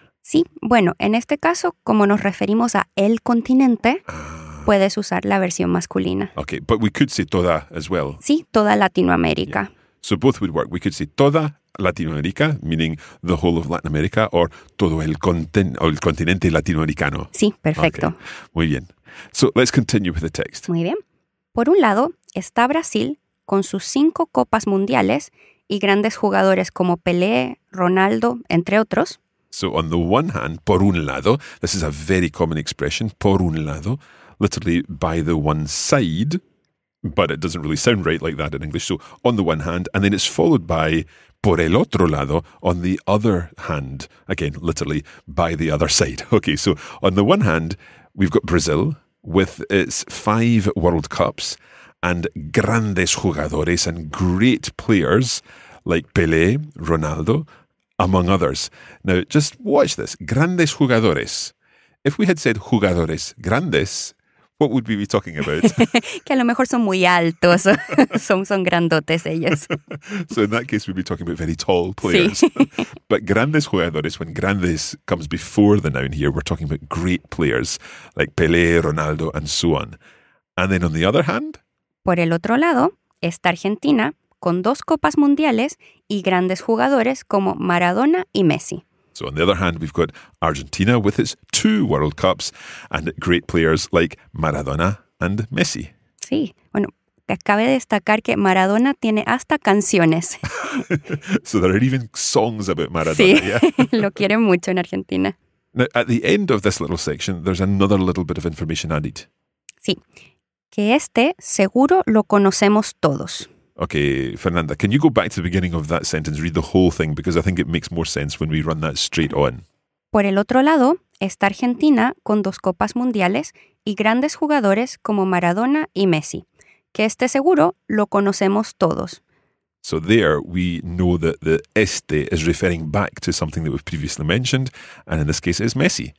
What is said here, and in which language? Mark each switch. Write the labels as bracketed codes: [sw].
[es] Sí, bueno, en este caso, como nos referimos a el continente, puedes usar la versión masculina. [en] Okay, but we could say toda as well. [es] Sí, toda Latinoamérica. Yeah. [en] So both would work. We could say [es] toda Latinoamérica, [en] meaning the whole of Latin America, or [es] todo el continente latinoamericano. Sí, perfecto. [en] Okay. [es] Muy bien. [en] So let's continue with the text. [es] Muy bien. Por un lado, está Brasil con sus 5 copas mundiales y grandes jugadores como Pelé, Ronaldo, entre otros. [en] So on the one hand, [es] por un lado, [en] this is a very common expression, por un lado, literally by the one side, but it doesn't really sound right like that in English. So on the one hand, and then it's followed by [es] por el otro lado, [en] on the other hand, again, literally by the other side. Okay, so on the one hand, we've got Brazil with its 5 World Cups and [es] grandes jugadores [en] and great players like Pelé, Ronaldo, among others. Now, just watch this. [es] Grandes jugadores. [en] If we had said [es] jugadores grandes, [en] what would we be talking about? [es] Que a lo mejor son muy altos. son grandotes ellos. [en] So in that case, we'd be talking about very tall players. [es] Sí. [en] But [es] grandes jugadores, [en] when grandes comes before the noun here, we're talking about great players like Pelé, Ronaldo, and so on. And then on the other hand? [es] Por el otro lado, está Argentina, con 2 copas mundiales y grandes jugadores como Maradona y Messi. [en] So on the other hand, we've got Argentina with its 2 World Cups and great players like Maradona and Messi. [es] Sí, bueno, cabe destacar que Maradona tiene hasta canciones. [en] So there are even songs about Maradona, [es] sí. [en] Yeah? [es] Lo quieren mucho en Argentina. [en] Now, at the end of this little section, there's another little bit of information added. [es] Sí, que este seguro lo conocemos todos. [en] Okay, Fernanda, can you go back to the beginning of that sentence, read the whole thing, because I think it makes more sense when we run that straight on. [es] Por el otro lado, está Argentina con 2 copas mundiales y grandes jugadores como Maradona y Messi, que este seguro lo conocemos todos. [en] So there, we know that the este is referring back to something that we've previously mentioned, and in this case, it's Messi.